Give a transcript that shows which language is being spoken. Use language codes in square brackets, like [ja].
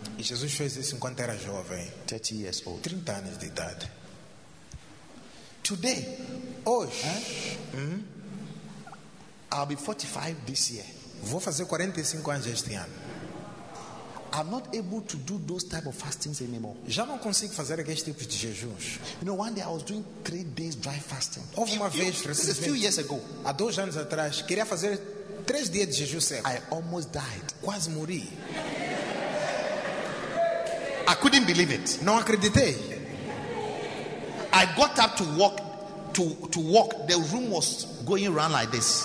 [pt] E Jesus fez isso enquanto era jovem. [en] 30 years old. [pt] 30 anos de idade. [en] Today, [pt] hoje, [en] I'll be 45 this year. [pt] Vou fazer 45 anos este ano. [en] I'm not able to do those type of fastings anymore. [pt] Já não consigo fazer aqueles tipos de jejuns. [en] You know, one day I was doing 3 days dry fasting. [pt] Houve uma vez, recentemente, [en] this is a few years ago. [pt] Há 2 anos atrás, queria fazer 3 dias de jejum seco. [en] I almost died. [pt] Quase morri. [en] I couldn't believe it. [pt] Não acreditei. [en] I got up to walk, to walk. The room was going around like this.